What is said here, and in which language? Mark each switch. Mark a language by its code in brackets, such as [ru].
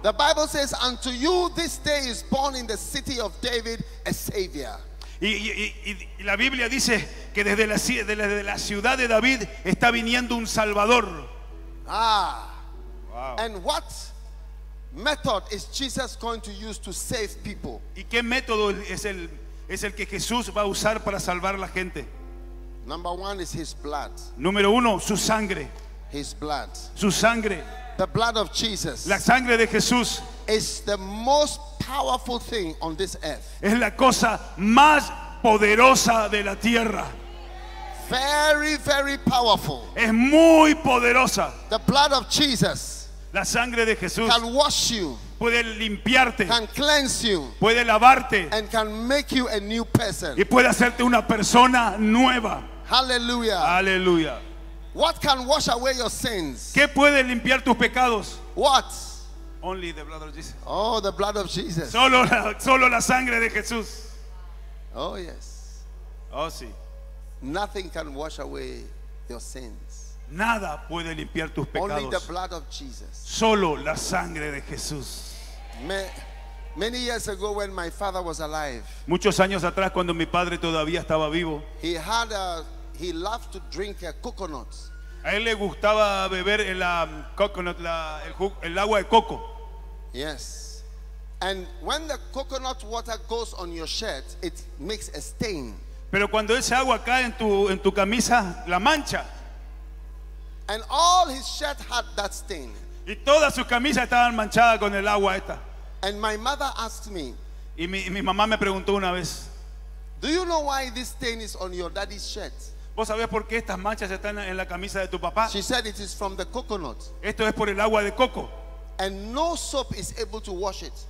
[en] The Bible says, "Unto you this day is born in the city of David a Savior." [es] Y la Biblia dice que desde la ciudad de David está viniendo un Salvador. Ah. [en] Wow. And what method is Jesus going to use to save people? [es] ¿Y qué método es el es el que Jesús va a usar para salvar a la gente. [en] Number one is his blood. [es] Número uno, su sangre. [en] His blood. [es] Su sangre. [en] The blood of Jesus. [es] La sangre de Jesús. [en] Is the most powerful thing on this earth. [es] Es la cosa más poderosa de la tierra. [en] Very, very powerful. [es] Es muy poderosa. [en] The blood of Jesus. [es] La sangre de Jesús. [en] Can wash you. [es] Puede limpiarte. [en] Can cleanse you. [es] Puede lavarte. [en] And can make you a new person. [es] Y puede hacerte una persona nueva. [en] Hallelujah. Hallelujah. What can wash away your sins? [es] ¿Qué puede limpiar tus pecados? [en] What? Only the blood of Jesus. Oh, the blood of Jesus. [es] Solo la sangre de Jesús. [en] Oh, yes. [es] Oh, sí. [en] Nothing can wash away your sins. [es] Nada puede limpiar tus pecados. [en] Only the blood of Jesus. [es] Solo la sangre de Jesús. [en] Many years ago when my father was alive. [es] Muchos años atrás cuando mi padre todavía estaba vivo. [en] He loved to drink a coconut. [es] A él le gustaba beber el agua de coco. [en] Yes. And when the coconut water goes on your shirt, it makes a stain. [es] Pero cuando ese agua cae en tu camisa, la mancha. [en] And all his shirt had that stain. [es] Y toda su camisa estaba manchada con el agua esta. [en] And my mother asked me. [es] Y mi mamá me preguntó una vez. [en] Do you know why this stain is on your daddy's shirt? [es] ¿Vos sabés por qué estas manchas están en la camisa de tu papá? [en] She said it is from the coconut. [es] Esto es por el agua de coco. [en] And no soap is able to wash it.